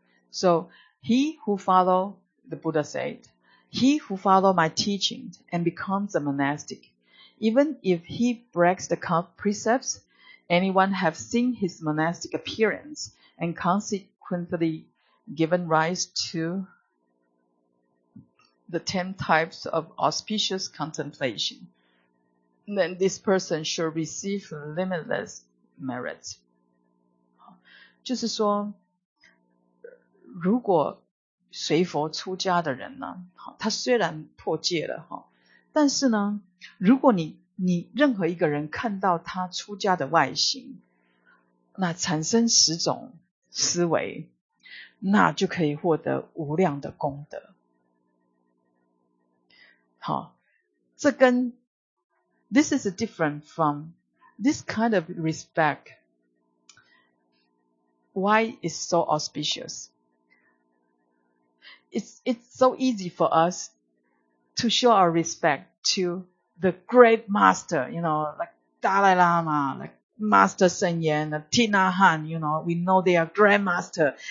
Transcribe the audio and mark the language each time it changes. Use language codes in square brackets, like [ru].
[en] So he who follow, the Buddha said, he who follow my teachings and becomes a monastic, even if he breaks the precepts, anyone have seen his monastic appearance and consequently given rise to the 10 types of auspicious contemplation, then this person should receive limitless merits. [zh] 就是说，如果随佛出家的人呢，他虽然破戒了，但是呢，如果你任何一个人看到他出家的外形，那产生十种思维，那就可以获得无量的功德。好，这跟 [en] This is different from this kind of respect. Why is so auspicious? It's so easy for us to show our respect to the great master, you know, like Dalai Lama, like Master Sun Yan, like Thich Nhat Hanh, you know, we know they are great master.